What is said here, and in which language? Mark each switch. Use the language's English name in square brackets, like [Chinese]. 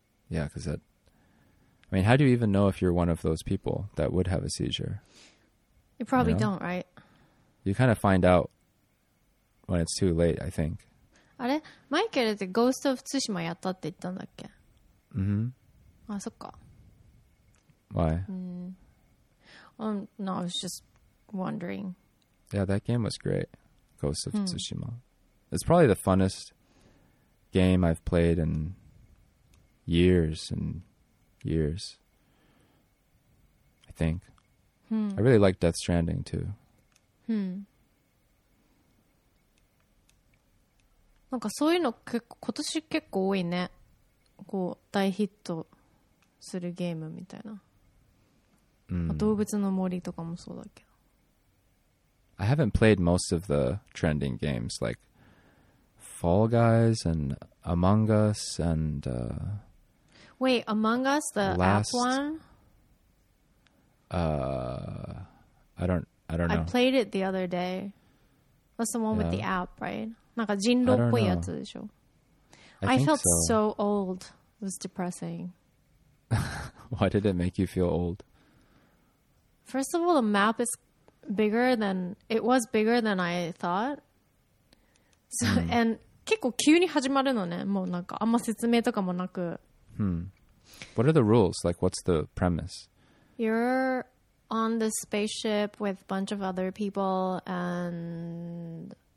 [English] Yeah, because that... I mean, how do you even know if you're one of those people that would have a seizure? You probably don't, right? You kind of find out when it's too late, I think. [Japanese] あれ? マイケルってゴースト・オフ・ツシマやったって言ったんだっけ? うん。あ、そっか。 [English] Why? No, I was just wondering. Yeah, that game was great. Ghost of Tsushima. It's probably the funnest game I've played in years and years. I think. I really like Death Stranding too. [Japanese] なんかそういうの結構今年結構多いね。こう大ヒットするゲームみたいな。動物の森とかもそうだけど。 [English] I haven't played most of the trending games like Fall Guys and Among Us and Wait, Among Us, the last app one? I don't know. I played it the other day. That's the one with the app, right? [Japanese] なんか人狼っぽいやつでしょ? [English] I felt so old. It was depressing. Why did it make you feel old? First of all, the map is bigger than I thought. So, and [Japanese] 結構急に始まるのね。もうなんかあんま説明とかもなく。 [English] What are the rules? Like, what's the premise? You're on the spaceship with a bunch of other people and...